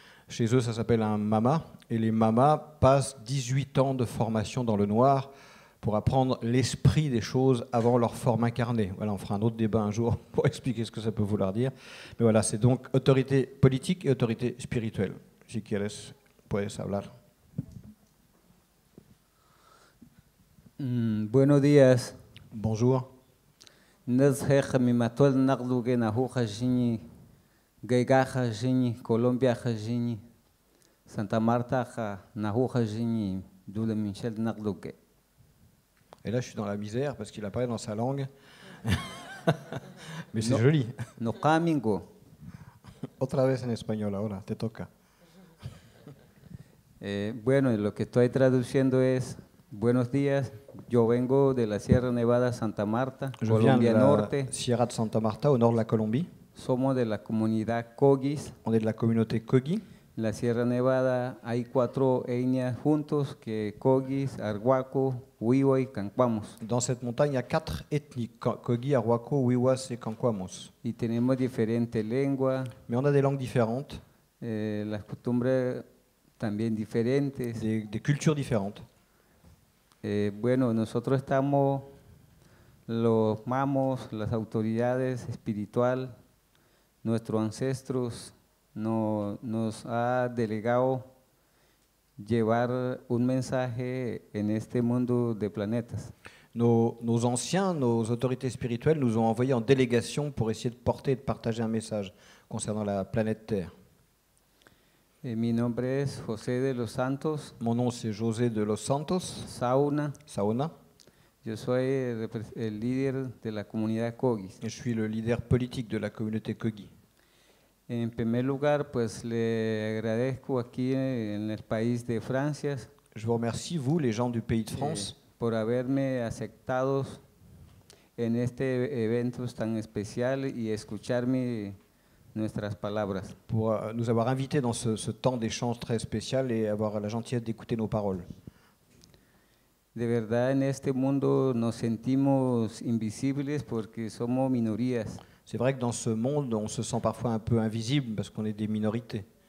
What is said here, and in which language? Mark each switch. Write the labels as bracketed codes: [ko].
[fr] Chez eux, ça s'appelle un mama. Et les mamas passent 18 ans de formation dans le noir pour apprendre l'esprit des choses avant leur forme incarnée. Voilà, on fera un autre débat un jour pour expliquer ce que ça peut vouloir dire. Mais voilà, c'est donc autorité politique et autorité spirituelle. [es] Si quieres, puedes hablar. Buenos días. [fr] Bonjour. [kog] Nazher mimatol nardugena hujajini, gaygajajini, colombiajajini, Santa Marta nahujajini, dule michel nardugé. [fr] Et là, je suis dans la misère parce qu'il apparaît dans sa langue. Mais c'est joli. No camingo. [es] Otra vez en español ahora, te toca. Bueno, lo que estoy traduciendo es, buenos días, yo vengo de la Sierra Nevada, Santa Marta, [fr] je [es] Colombia [fr] viens de la [es] Norte. [fr] Sierra de Santa Marta, au nord de la Colombie. [es] Somos de la comunidad Cogis. [fr] On est de la communauté Cogi. [es] La Sierra Nevada, hay cuatro etnias juntos, que Cogis, Arhuaco, Huiwai, Canquamos. [fr] Dans cette montagne, il y a quatre ethnies, Cogi, Arhuaco, Huiwas et Canquamos. [es] Y tenemos diferentes lenguas. [fr] Mais on a des langues différentes. [es] Las costumbres también diferentes. [fr] Des cultures différentes. [es] Bueno, nosotros estamos los mamos, las autoridades espirituales, nuestros ancestros, nos ha delegado llevar un mensaje en este mundo de planetas. [fr] Nos anciens, nos autorités spirituelles nous ont envoyé en délégation pour essayer de porter et de partager un message concernant la planète Terre. [es] Et mi nombre es José de los Santos. [fr] Mon nom c'est José de los Santos. [es] Saona. Yo soy el líder de la comunidad Cogi. [fr] Je suis le leader politique de la communauté Cogi. [es] En primer lugar, pues le agradezco aquí en el país de Francia. [fr] Je vous remercie, vous, les gens du pays de France, [es] por haberme aceptado en este evento tan especial y escucharme nuestras palabras. [fr] Pour nous avoir invités dans ce temps d'échange très spécial et avoir la gentillesse d'écouter nos paroles. [es] De verdad, en este mundo nos sentimos invisibles porque somos minorías. [fr] C'est vrai que dans ce monde, on se sent parfois un peu invisible parce qu'on est des minorités.